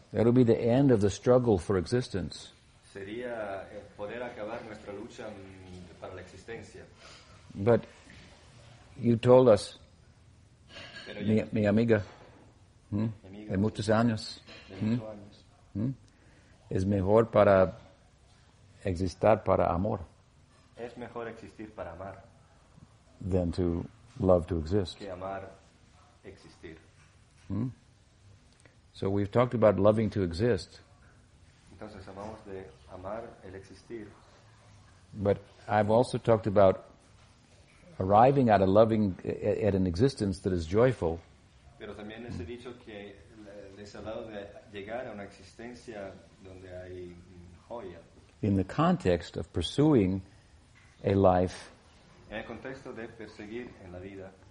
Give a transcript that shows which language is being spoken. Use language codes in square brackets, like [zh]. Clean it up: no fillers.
[en] That will be the end of the struggle for existence. [es] Sería poder acabar nuestra lucha para la existencia. [en] But you told us, [es] mi amiga, amiga, de muchos años, es mejor para existir para amor. Es mejor existir para amar. [en] Than to love to exist. [es] Que amar existir. [en] So we've talked about loving to exist. [es] Entonces hablamos de amar el existir. [en] But I've also talked about arriving at an existence that is joyful. [es] Pero también se ha dicho que les ha hablado de llegar a una existencia donde hay joya. [en] In the context of pursuing a life [es] en el contexto de perseguir en la vida,